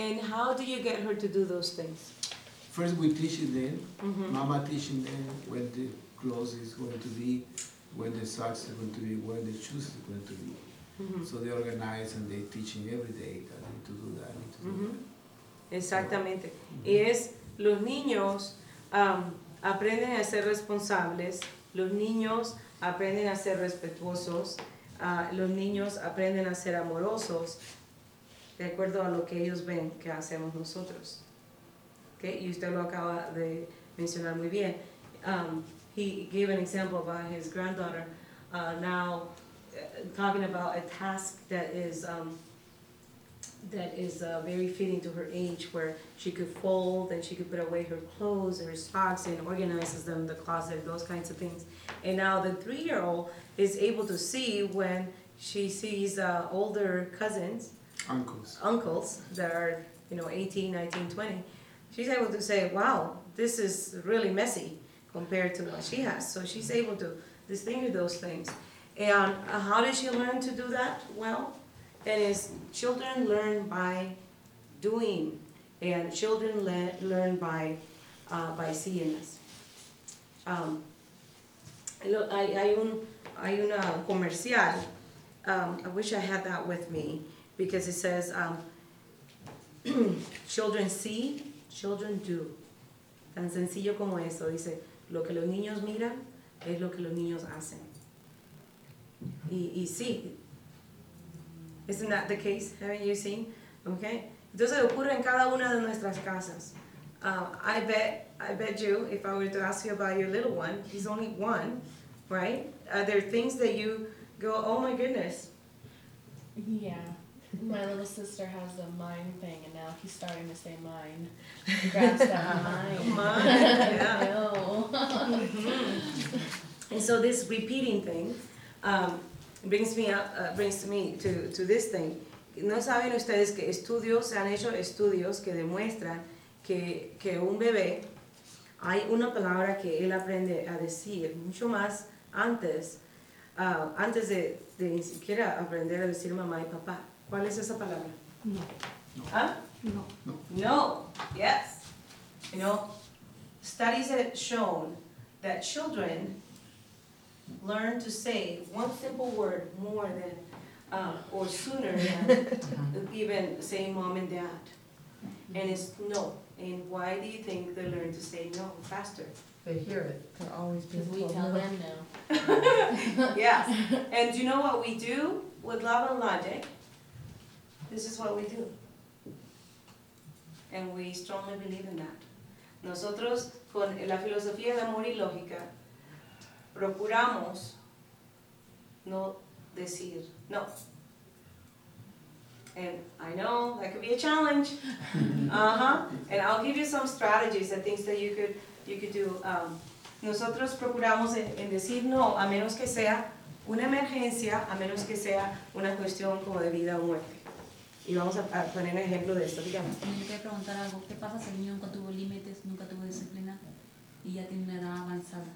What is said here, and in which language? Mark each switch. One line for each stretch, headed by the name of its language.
English: And how do you get her to do those things? First, we teach them. Mm-hmm. Mama teaching them when the clothes is going to be, when the socks is going to be, when the shoes is going to be. Mm-hmm. So they organize and they teach him every day that I need to do that.
Spanish: Exactamente. Mm-hmm. Y es los niños aprenden a ser responsables. Los niños aprenden a ser respetuosos, los niños aprenden a ser amorosos de acuerdo a lo que ellos ven que hacemos nosotros. ¿Okay? Y usted lo acaba de mencionar muy bien.
English: He gave an example about his granddaughter now talking about a task that is very fitting to her age, where she could fold and she could put away her clothes and her socks and organizes them in the closet, those kinds of things. And now the three-year-old is able to see when she sees older cousins, uncles that are, you know, 18, 19, 20. She's able to say, wow, this is really messy compared to what she has. So she's able to distinguish those things. And how did she learn to do that well? And is children learn by doing, and children learn by seeing us.
Spanish: Hay un comercial.
English: I wish I had that with me, because it says, children see, children do.
Spanish: Tan sencillo como eso. Dice, lo que los niños miran es lo que los niños hacen. Y sí.
English: Isn't that the case? Haven't you seen? Okay.
Spanish: Entonces ocurre en cada una de nuestras casas.
English: I bet you, if I were to ask you about your little one, he's only one, right? Are there things that you go, oh my goodness? Yeah. My little sister has a mine thing, and now he's starting to say mine. Grabs that mine. Mine, yeah. Mm-hmm. And so this repeating thing brings me to this thing.
Spanish: ¿No saben ustedes que estudios, se han hecho estudios que demuestran que un bebé, hay una palabra que él aprende a decir mucho más antes de ni siquiera aprender a decir mamá y papá? ¿Cuál es esa palabra? No. ¿Ah? No. No.
English: No. Yes. You know, studies have shown that children learn to say one simple word more than, or sooner than even saying mom and dad. And it's no. And why do you think they learn to say no faster? They hear it. They're always being told. We tell no. them no. Yes. And do you know what we do with love and logic? This is what we do, and we strongly believe in that.
Spanish: Nosotros, con la filosofía de amor y lógica, procuramos no decir no.
English: And I know that could be a challenge. Uh-huh. And I'll give you some strategies and things that you could do.
Spanish: Nosotros procuramos en decir no, a menos que sea una emergencia, a menos que sea una cuestión como de vida o muerte. Y vamos a poner un ejemplo de esto, digamos. Me quería preguntar algo. ¿Qué pasa si el niño nunca tuvo límites, nunca tuvo disciplina y ya tiene una edad avanzada?